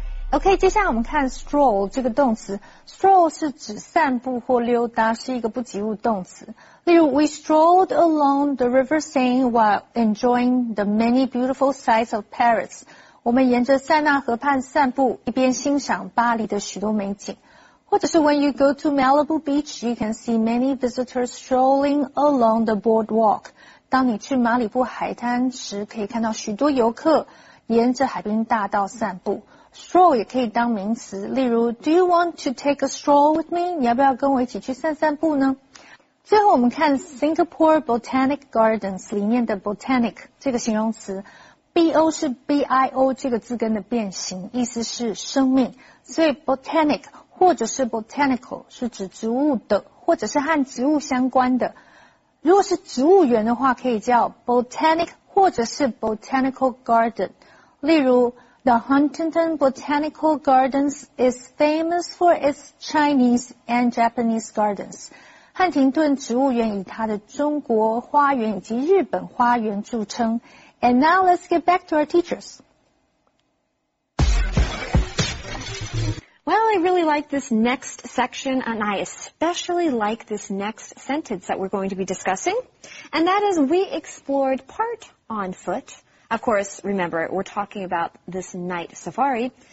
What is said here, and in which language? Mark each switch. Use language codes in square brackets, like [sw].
[zh] OK， 接下来我们看 stroll 这个动词。stroll 是指散步或溜达，是一个不及物动词。例如 [en] ，We strolled along the River Seine while enjoying the many beautiful sights of Paris。 [zh] 我们沿着塞纳河畔散步，一边欣赏巴黎的许多美景。或者是 [en] When you go to Malibu Beach, you can see many visitors strolling along the boardwalk。 [zh] 当你去马里布海滩时，可以看到许多游客沿着海滨大道散步。 [en] Stroll [zh] 也可以当名词，例如 [en] Do you want to take a stroll with me? [zh] 你要不要跟我一起去散散步呢？最后我们看 Singapore Botanic Gardens 里面的 Botanic 这个形容词， B-O 是 B-I-O 这个字根的变形，意思是生命，所以 Botanic 或者是 Botanical 是指植物的，或者是和植物相关的。如果是植物园的话，可以叫 Botanic 或者是 Botanical Garden。例如 [en] The Huntington Botanical Gardens is famous for its Chinese and Japanese gardens. [zh] 汉廷顿植物园以它的中国花园以及日本花园著称。 [en] And now let's get back to our teachers. Well, I really like this next section, and I especially like this next sentence that we're going to be discussing. And that is, we explored part on foot. Of course, remember, we're talking about this night safari.